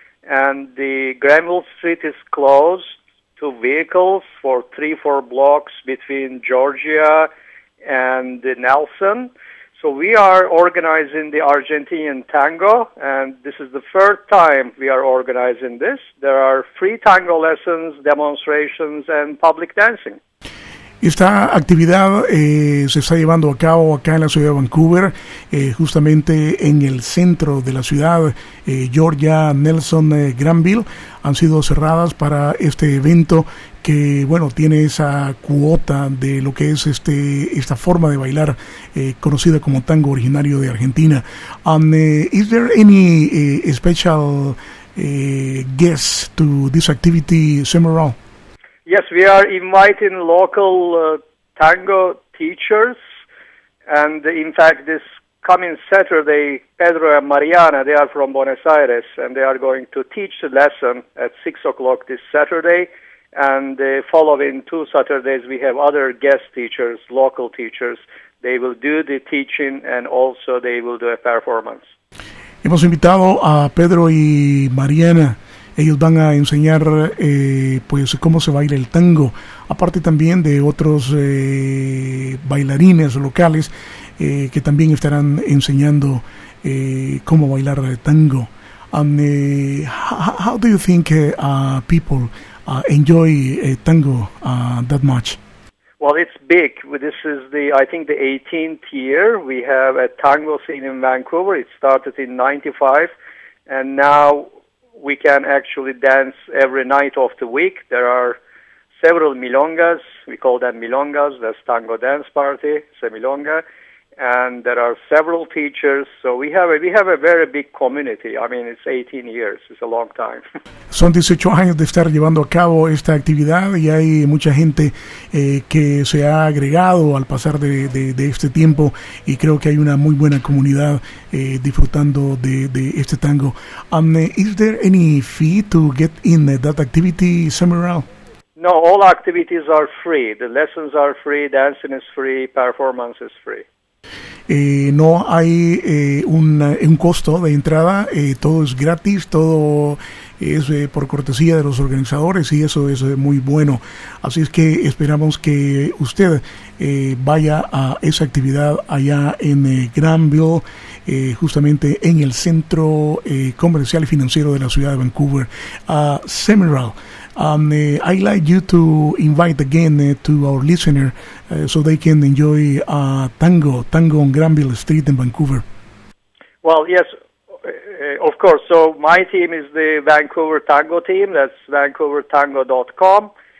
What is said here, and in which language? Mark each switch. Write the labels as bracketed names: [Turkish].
[English] And the Granville Street is closed to vehicles for 3-4 blocks between Georgia and Nelson. So we are organizing the Argentinian Tango, and this is the third time we are organizing this. There are free tango lessons, demonstrations, and public dancing. [Spanish] Esta actividad se está llevando a cabo acá en la ciudad de Vancouver, justamente en el centro de la ciudad, Georgia, Nelson, Granville, han sido cerradas para este evento que, bueno, tiene esa cuota de lo que es esta forma de bailar conocida como tango originario de Argentina. [English] Is there any special guest to this activity, Semiral? Yes, we are inviting local tango teachers, and in fact, this coming Saturday, Pedro and Mariana, they are from Buenos Aires, and they are going to teach the lesson at 6 o'clock this Saturday, and the following two Saturdays, we have other guest teachers, local teachers, they will do the teaching, and also they will do a performance. [Spanish] Hemos invitado a Pedro y Mariana. Ellos van a enseñar pues cómo se baila el tango, aparte también de otros bailarines locales que también estarán enseñando cómo bailar el tango. [English] How do you think people enjoy tango that much? Well, it's big. This is the 18th year we have a tango scene in Vancouver. It started in 95 and now we can actually dance every night of the week. There are several milongas. We call them milongas. That's tango dance party, semilonga. And there are several teachers. So we have a very big community. I mean, it's 18 years. It's a long time. [Spanish] Son 18 años de estar llevando a cabo esta actividad y hay mucha gente que se ha agregado al pasar de este tiempo y creo que hay una muy buena comunidad disfrutando de este tango. [English] Is there any fee to get in that activity, Semiral? No, all activities are free. The lessons are free, dancing is free, performance is free. [Spanish] No hay un costo de entrada, todo es gratis, todo es por cortesía de los organizadores y eso es muy bueno. Así es que esperamos que usted vaya a esa actividad allá en Granville, justamente en el centro comercial y financiero de la ciudad de Vancouver. [English] Semiral, I'd like you to invite again to our listener so they can enjoy tango on Granville Street in Vancouver. Well, yes, of course. So my team is the Vancouver Tango team. That's vancouvertango.com.